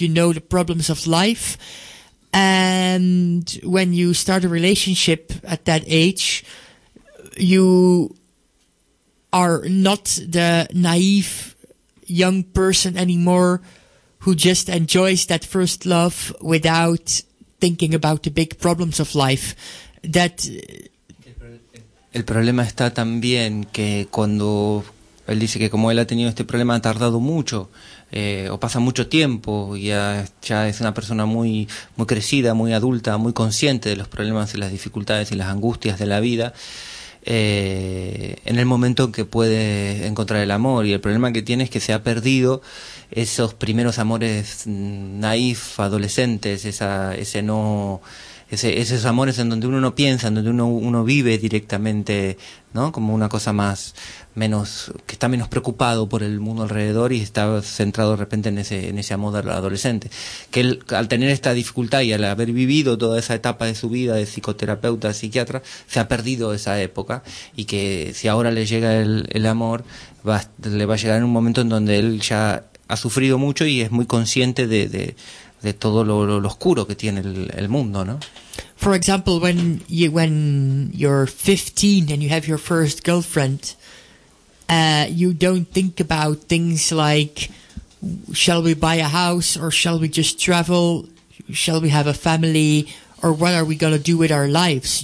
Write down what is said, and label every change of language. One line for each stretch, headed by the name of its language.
English: You know the problems of life. And when you start a relationship at that age, you are not the naive young person anymore who just enjoys that first love without thinking about the big problems of life. That
Spanish: el problema está también que cuando él dice que como él ha tenido este problema ha tardado mucho. O pasa mucho tiempo y ya es una persona muy, muy crecida, muy adulta, muy consciente de los problemas y las dificultades y las angustias de la vida, en el momento en que puede encontrar el amor. Y el problema que tiene es que se ha perdido esos primeros amores naif, adolescentes, esos amores en donde uno no piensa, en donde uno vive directamente, ¿no? Como una cosa más, menos, que está menos preocupado por el mundo alrededor y está centrado de repente en ese amor del adolescente. Que él, al tener esta dificultad y al haber vivido toda esa etapa de su vida de psicoterapeuta, psiquiatra, se ha perdido esa época y que si ahora le llega el amor, le va a llegar en un momento en donde él ya ha sufrido mucho y es muy consciente de todo lo oscuro que tiene el mundo, ¿no?
English: For example, when you're 15 and you have your first girlfriend, you don't think about things like shall we buy a house or shall we just travel? Shall we have a family or what are we going to do with our lives?